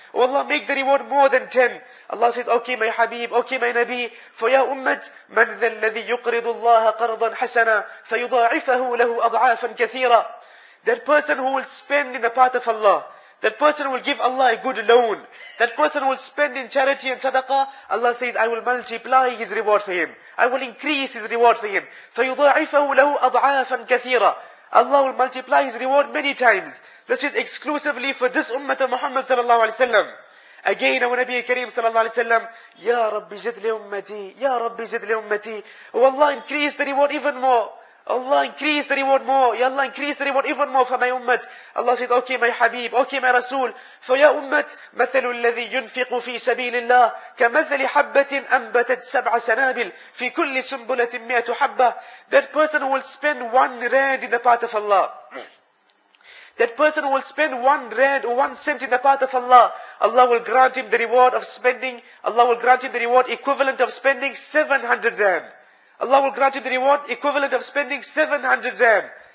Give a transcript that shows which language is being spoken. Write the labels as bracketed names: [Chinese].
[English] Oh Allah, make the reward more than 10. Allah says, okay my Habib, okay my Nabi, for ya ummat, man [Arabic] ذا الذي يقرض الله قرضا حسنا فيضاعفه له أضعافا كثيرة. [English] That person who will spend in the path of Allah, that person will give Allah a good loan, that person will spend in charity and sadaqah, Allah says, I will multiply his reward for him. I will increase his reward for him. [Arabic] فيضاعفه له أضعافا كثيرة. [English] Allah will multiply his reward many times. This is exclusively for this ummat of Muhammad sallallahu alayhi wa sallam. Again, our Nabi Kareem sallallahu alayhi wa sallam, [Arabic] Ya Rabbi zid li ummati, [English] Ya Rabbi zid li ummati. Oh Allah, increase the reward even more. Allah, increase the reward more. Ya Allah, increase the reward even more for my ummat. Allah says, okay my Habib, okay my Rasul. For ya ummat, [Arabic] مثل الذي ينفق في سبيل الله كمثل حبة أنبتت سبع سنابل في كل سنبلة 100 حبة. [English] That person will spend 1 rand in the path of Allah. That person will spend 1 rand or 1 cent in the path of Allah. Allah will grant him the reward of spending. Allah will grant him the reward equivalent of spending 700 rand. Allah will grant him the reward equivalent of spending 700 rand.